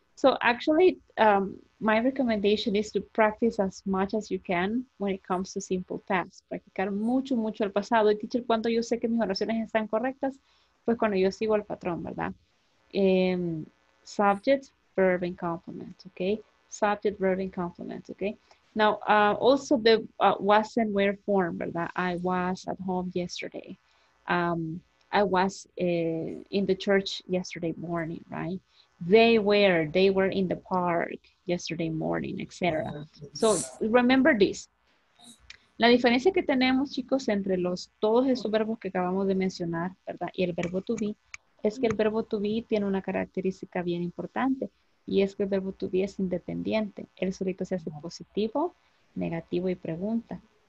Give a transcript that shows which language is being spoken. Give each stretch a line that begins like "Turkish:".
English: So actually, my recommendation is to practice as much as you can when it comes to simple past.
Spanish: Practicar mucho, mucho el pasado. Y teacher, cuando yo sé que mis oraciones están correctas, pues cuando yo sigo el patrón, ¿verdad?
English: Subject, verb, and complement, okay? Subject, verb, and complement, okay? Now, also the was and where form, ¿verdad? I was at home yesterday. I was in the church yesterday morning, right? They were in the park yesterday morning, etc. So remember this.
Spanish: La diferencia que tenemos, chicos, entre todos esos verbos que acabamos de mencionar, ¿verdad? Y el verbo to be, es que el verbo to be tiene una característica bien importante, y es que el verbo to be es independiente. El solito se hace positivo, negativo y pregunta.